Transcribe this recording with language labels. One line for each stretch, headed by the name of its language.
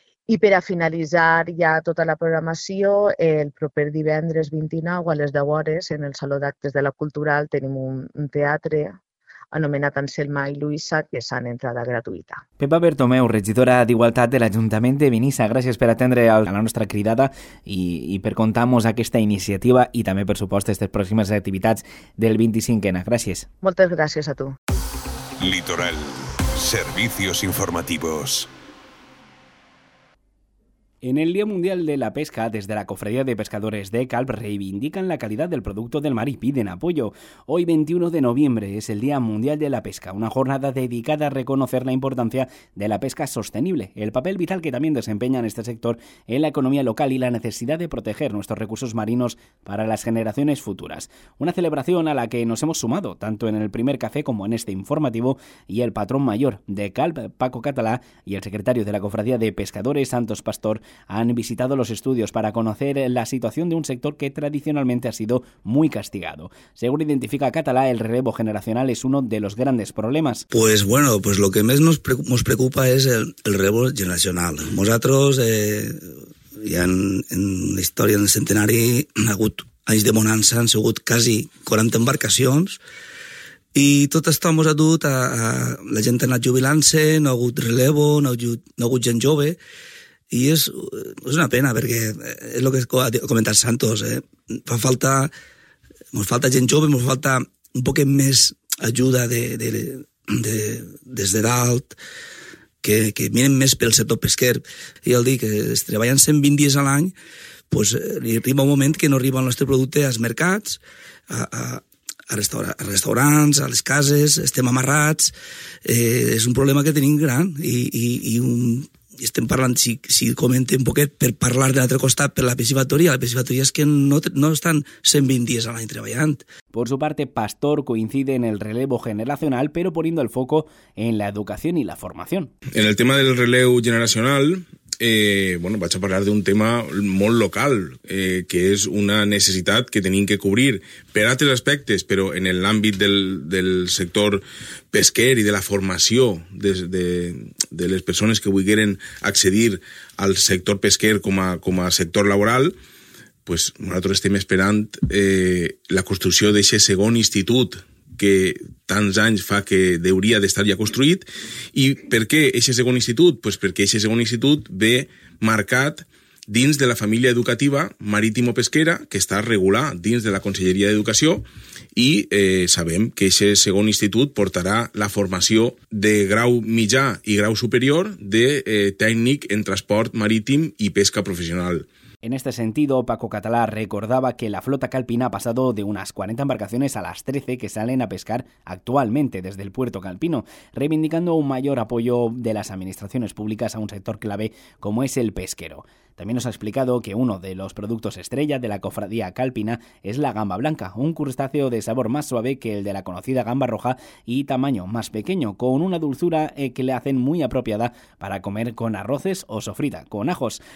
Catalan: I per a finalitzar ja tota la programació, el proper divendres 29 a les 10 hores en el Saló d'Actes de la Cultural tenim un teatre anomenat Anselma i Luisa, que és en entrada gratuïta. Pepa Bertomeu, regidora d'Igualtat de l'Ajuntament de Benissa, gràcies per atendre a la nostra cridada i per contar-nos aquesta iniciativa i també, per supost, aquestes pròximes activitats del 25N. Gràcies. Moltes gràcies a tu. Litoral.
Spanish: Servicios informativos. En el Día Mundial de la Pesca, desde la Cofradía de Pescadores de Calp, reivindican la calidad del producto del mar y piden apoyo. Hoy, 21 de noviembre, es el Día Mundial de la Pesca, una jornada dedicada a reconocer la importancia de la pesca sostenible, el papel vital que también desempeña en este sector en la economía local y la necesidad de proteger nuestros recursos marinos para las generaciones futuras. Una celebración a la que nos hemos sumado, tanto en el primer café como en este informativo, y el patrón mayor de Calp, Paco Catalá, y el secretario de la Cofradía de Pescadores, Santos Pastor, han visitado los estudios para conocer la situación de un sector que tradicionalmente ha sido muy castigado. Según identifica Catalá, el relevo generacional es uno de los grandes problemas. Pues bueno, pues lo que más nos preocupa es el relevo generacional.
Catalan: Nosotros, ya en la historia del centenari, han hagut anys de bonança, han sigut quasi 40 embarcacions i tot està mos adut a la gent ha anat jubilant-se, no ha hagut relevo, no ha hagut gent jove. I és una pena, perquè és el que ha comentat Santos, eh? Fa falta, ens falta gent jove, ens falta un poquet més ajuda des de dalt, que miren més pel sector pesquer. I el dic, es treballen 120 dies a l'any, pues, li arriba un moment que no arriba el nostre producte als mercats, a restaurants, a les cases, estem amarrats, és un problema que tenim gran i estem parlant, si comentem un poquet, per parlar de l'altre costat, per la piscifactoria és que no estan 120 dies a l'any treballant.
Spanish: Por su parte, Pastor coincide en el relevo generacional, pero poniendo el foco en la educación y la formación. En el tema del relevo generacional,
Catalan: bueno, vaig a parlar d'un tema molt local, que és una necessitat que tenim que cobrir per altres aspectes, però en l'àmbit del sector pesquer i de la formació de les persones que vulguin accedir al sector pesquer com a sector laboral, pues nosaltres estem esperant la construcció d'aquest segon institut que tants anys fa que hauria d'estar ja construït. I per què aquest segon institut? Pues perquè aquest segon institut ve marcat dins de la família educativa marítimo-pesquera, que està regulat dins de la Conselleria d'Educació, i sabem que aquest segon institut portarà la formació de grau mitjà i grau superior de tècnic en transport marítim i pesca professional.
Spanish: En este sentido, Paco Catalá recordaba que la flota calpina ha pasado de unas 40 embarcaciones a las 13 que salen a pescar actualmente desde el puerto calpino, reivindicando un mayor apoyo de las administraciones públicas a un sector clave como es el pesquero. También nos ha explicado que uno de los productos estrella de la cofradía calpina es la gamba blanca, un crustáceo de sabor más suave que el de la conocida gamba roja y tamaño más pequeño, con una dulzura que le hacen muy apropiada para comer con arroces o sofrita con ajos.